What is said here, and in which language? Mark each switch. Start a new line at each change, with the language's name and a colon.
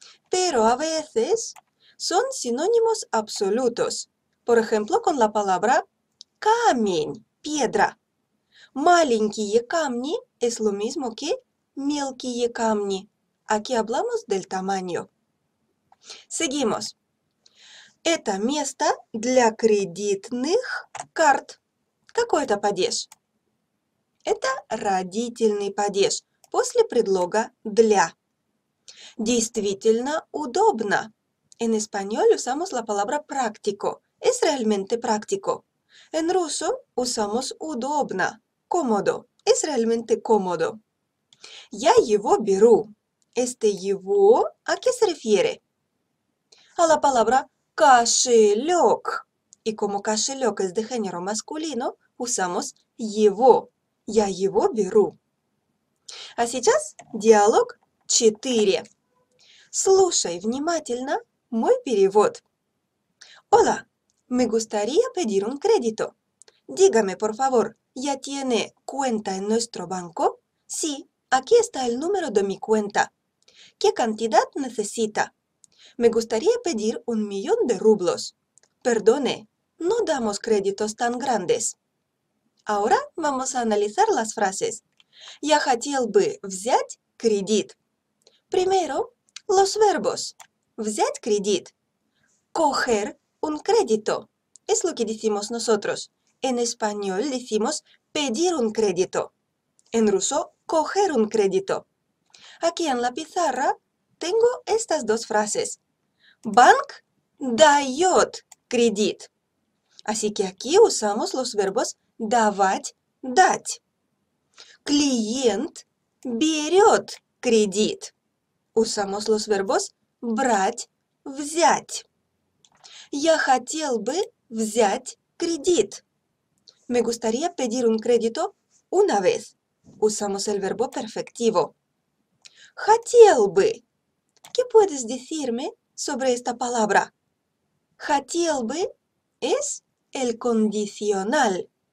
Spanish: Pero a veces son sinónimos absolutos. Por ejemplo, con la palabra камень, piedra.
Russian: Маленькие камни
Spanish: es lo mismo que
Russian: мелкие камни.
Spanish: Aquí hablamos del tamaño. Seguimos.
Russian: Это место для кредитных карт. Какой это падеж? Это родительный падеж после предлога «для». Действительно удобно.
Spanish: En español usamos la palabra «práctico». Es realmente «práctico». En ruso usamos «удобно», «cómodo». Es realmente «cómodo».
Russian: Я его беру.
Spanish: Este «его» a qué se refiere? A la palabra «кошелек». И como «кошелек» es de género masculino, usamos его.
Russian: Я его беру. А сейчас диалог 4. Слушай внимательно мой перевод.
Spanish: Hola, me gustaría pedir un crédito. Dígame, por favor, ¿ya tiene cuenta en nuestro banco? Sí, aquí está el número de mi cuenta. ¿Qué cantidad necesita? Me gustaría pedir 1 millón de rublos. Perdone, no damos créditos tan grandes. Ahora vamos a analizar las frases.
Russian: Я хотел бы взять кредит.
Spanish: Primero, los verbos.
Russian: Взять кредит.
Spanish: Coger un crédito. Es lo que decimos nosotros. En español decimos pedir un crédito. En ruso, coger un crédito. Aquí en la pizarra tengo estas dos frases.
Russian: Банк дает кредит.
Spanish: Así que aquí usamos los verbos давать, дать.
Russian: Клиент берет кредит.
Spanish: Usamos los verbos
Russian: брать, взять. Я хотел бы взять кредит.
Spanish: Me gustaría pedir un crédito una vez. Usamos el verbo perfectivo.
Russian: Хотел бы.
Spanish: ¿Qué puedes decirme sobre esta palabra?
Russian: Хотел бы
Spanish: es el condicional.